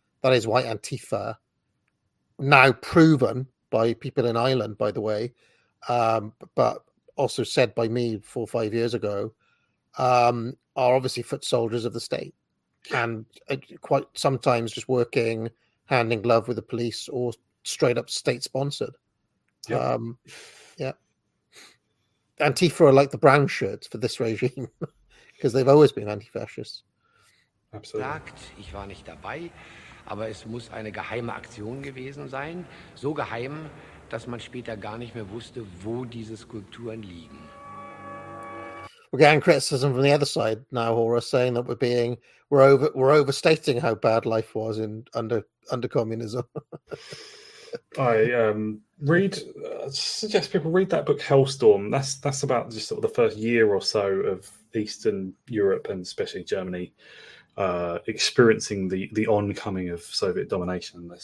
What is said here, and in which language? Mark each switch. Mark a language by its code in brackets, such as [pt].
[en] That is why Antifa, now proven by people in Ireland, by the way, but also said by me 4 or 5 years ago, are obviously foot soldiers of the state and quite sometimes just working hand in glove with the police or straight up state sponsored. Antifa are like the brown shirts for this regime because they've always been anti-fascist. Absolutely. [de] Ich war nicht dabei, aber es muss eine geheime Aktion gewesen sein, so geheim, dass man später gar nicht mehr wusste, wo diese Skulpturen liegen. [en] We're getting criticism from the other side now, Horace, saying that we're overstating how bad life was in under communism. I suggest people read that book, Hellstorm. That's about just sort of the first year or so of Eastern Europe and especially Germany experiencing the oncoming of Soviet domination.